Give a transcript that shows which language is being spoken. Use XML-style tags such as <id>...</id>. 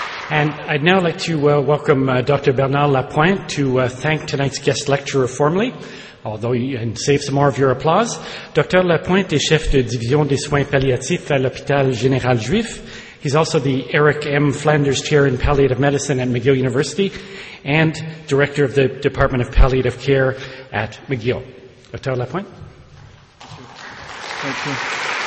<en>And I'd now like to welcome Dr. Bernard Lapointe to thank tonight's guest lecturer formally, and save some more of your applause. Dr.</en> <fr>Lapointe est chef de division des soins palliatifs à l'Hôpital Général Juif.</fr> <en>He's also the Eric M. Flanders Chair in Palliative Medicine at McGill University and Director of the Department of Palliative Care at McGill. Dr. Lapointe. Thank you.</en>